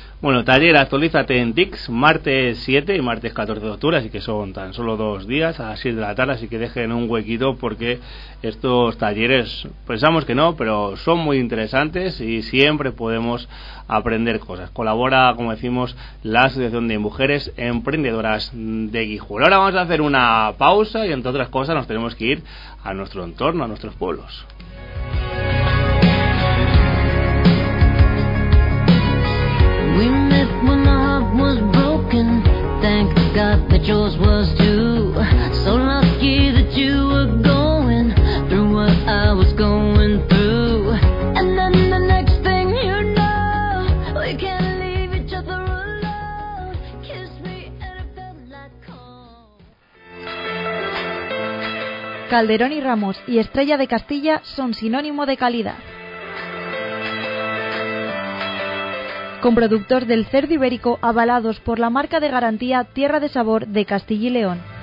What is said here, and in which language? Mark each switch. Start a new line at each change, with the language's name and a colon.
Spanish: Bueno, taller Actualízate en TICS, martes 7 y martes 14 de octubre, así que son tan solo dos días, a las 6 de la tarde, así que dejen un huequito porque estos talleres, pensamos que no, pero son muy interesantes y siempre podemos aprender cosas. Colabora, como decimos, la Asociación de Mujeres Emprendedoras de Guijuelo. Ahora vamos a hacer una pausa y entre otras cosas nos tenemos que ir a nuestro entorno, a nuestros pueblos.
English: We met when my heart was broken. Thank God that yours was too. So lucky that you were going through what I was going through. And then the next thing you know, we can leave each other alone. Kiss me and it felt like home.
Spanish: Calderón y Ramos y Estrella de Castilla son sinónimo de calidad. Con productos del cerdo ibérico avalados por la marca de garantía Tierra de Sabor de Castilla y León.